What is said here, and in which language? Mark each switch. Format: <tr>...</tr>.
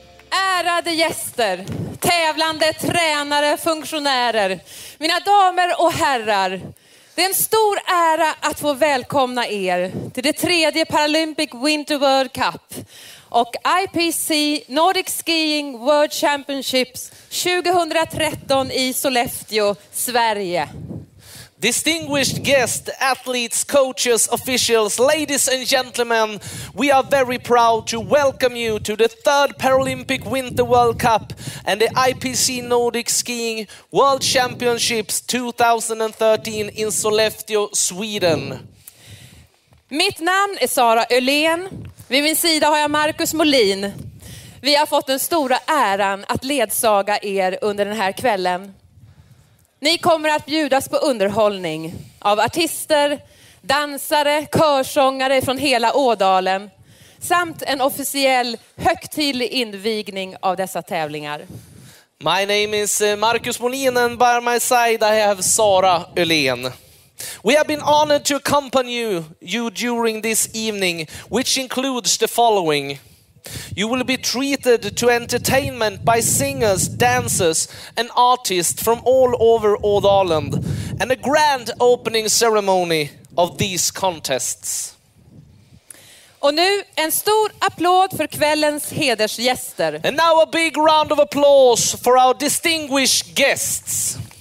<sv>ärade gäster, tävlande, tränare, funktionärer, mina damer och herrar. Det är en stor ära att få välkomna er till det tredje Paralympic Winter World Cup och IPC Nordic Skiing World Championships 2013 i Sollefteå, Sverige.</sv> <en>Distinguished guests, athletes, coaches, officials, ladies and gentlemen, we are very proud to welcome you to the third Paralympic Winter World Cup and the IPC Nordic Skiing World Championships 2013 in Sollefteå, Sweden.</en> <sv>Mitt namn är Sara Öhlén. Vid min sida har jag Marcus Molin. Vi har fått den stora äran att ledsaga er under den här kvällen. Ni kommer att bjudas på underhållning av artister, dansare, körsångare från hela Ådalen samt en officiell högtidlig invigning av dessa tävlingar.</sv> <en>My name is Marcus Molin and by my side I have Sara Öhlén. We have been honored to accompany you during this evening, which includes the following. You will be treated to entertainment by singers, dancers and artists from all over Ådalen and a grand opening ceremony of these contests.</en> <sv>Och nu en stor applåd för kvällens hedersgäster.</sv> <en>And now a big round of applause for our distinguished guests.</en>